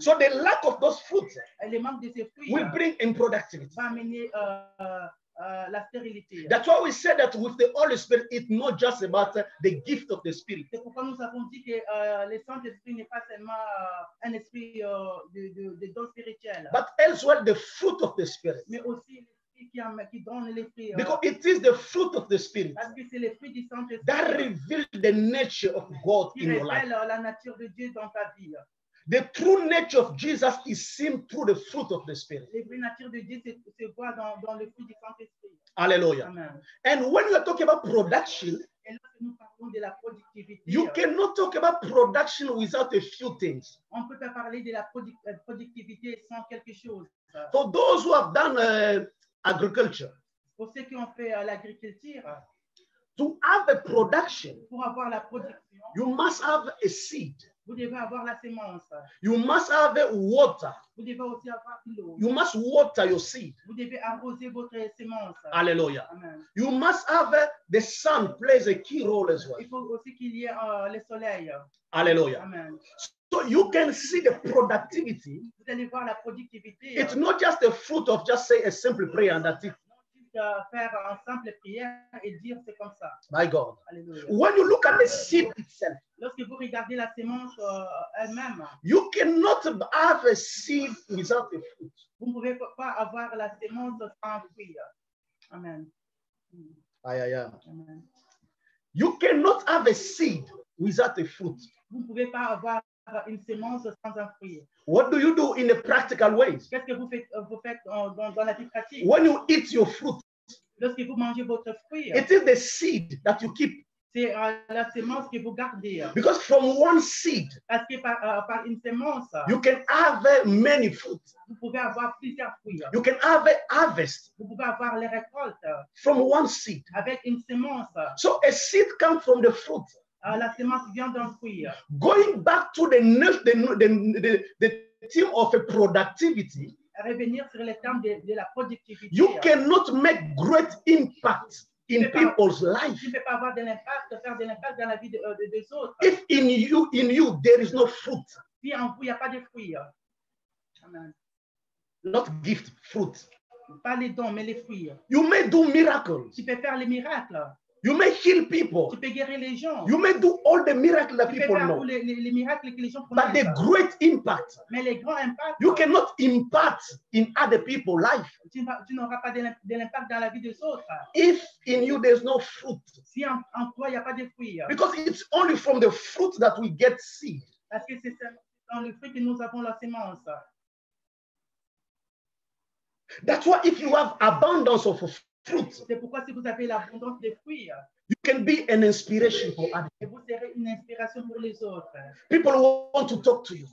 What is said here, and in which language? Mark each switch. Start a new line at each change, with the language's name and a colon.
English: So the lack of those fruits will bring improductivity.
French: La stérilité.
English: That's why we say that with the Holy Spirit, it's not just about the gift of the Spirit.
French: C'est pourquoi nous avons dit que le Saint-Esprit n'est pas seulement un esprit de don spirituel.
English: But elsewhere, the fruit of the Spirit.
French: Mais aussi qui donne l'esprit.
English: Because it is the fruit of the Spirit.
French: Parce que c'est le fruit du Saint-Esprit.
English: That reveals the nature of God in your life.
French: Qui révèle la nature de Dieu dans ta vie.
English: The true nature of Jesus is seen through the fruit of the Spirit.
French: La vraie nature de Dieu se voit dans le fruit du Saint-Esprit.
English: Alléluia. And when we are talking about production,
French: et lorsque nous parlons de la productivité,
English: you cannot talk about production without a few things.
French: On ne peut pas parler de la productivité sans quelque chose.
English: For those who have done agriculture.
French: Pour ceux qui ont fait l'agriculture.
English: To have a production.
French: Pour avoir la production.
English: You must have a seed.
French: Vous devez avoir la semence.
English: You must have water.
French: Vous devez aussi avoir l'eau.
English: You must water your seed.
French: Vous devez arroser votre semence. Alléluia. Amen.
English: You must have the sun plays a key role as well.
French: Il faut aussi qu'il y ait le soleil. Alléluia. Amen.
English: So you can see the productivity.
French: Vous allez voir la productivité.
English: It's not just the fruit of just say a simple prayer and that's it.
French: Faire une simple prière et dire c'est comme ça.
English: My God. Alléluia. When you look at the seed itself.
French: Lorsque vous regardez la semence elle-même.
English: You cannot have a seed without a fruit.
French: Vous ne pouvez pas avoir la semence sans fruit. Amen. Aïe, aïe, amen.
English: You cannot have a seed without a fruit.
French: Vous ne pouvez pas avoir une semence sans un fruit.
English: What do you do in the practical ways?
French: Qu'est-ce que vous faites dans la vie pratique?
English: When you eat your fruit,
French: lorsque vous mangez votre fruit,
English: it is the seed that you keep.
French: C'est la semence que vous gardez.
English: Because from one seed,
French: parce que par une semence,
English: you can have many fruits.
French: Vous pouvez avoir plusieurs fruits.
English: You can have a harvest.
French: Vous pouvez avoir les récoltes.
English: From one seed,
French: avec une semence.
English: So a seed comes from the fruit.
French: La semence vient d'un fruit.
English: Going back to the theme of a productivity.
French: Revenir sur le terme de la productivité.
English: You cannot make great impact in people's life.
French: Tu ne peux pas avoir de l'impact, faire de l'impact dans la vie des autres.
English: If in you there is no fruit.
French: Si en vous il n'y a pas de fruit. Amen.
English: Not gift, fruit.
French: Pas les dons, mais les fruits.
English: You may do miracles.
French: Tu peux faire les miracles.
English: You may heal people.
French: Tu peux guérir les gens.
English: You may do all the miracles that
French: tu
English: people know.
French: Les miracles que les gens
English: but the great impact.
French: Mais les grands impacts.
English: You cannot impact in other people's life.
French: Tu n'auras pas de l'impact dans la vie des autres.
English: If in you there's no fruit.
French: Si en toi il y a pas de fruits.
English: Because it's only from the fruit that we get seed.
French: Parce que c'est dans le fruit que nous avons la semence.
English: That's why if you have abundance of fruit.
French: C'est pourquoi si vous avez l'abondance de fruits,
English: you can be an inspiration for others.
French: Et vous serez une inspiration pour les autres.
English: People want to talk to you.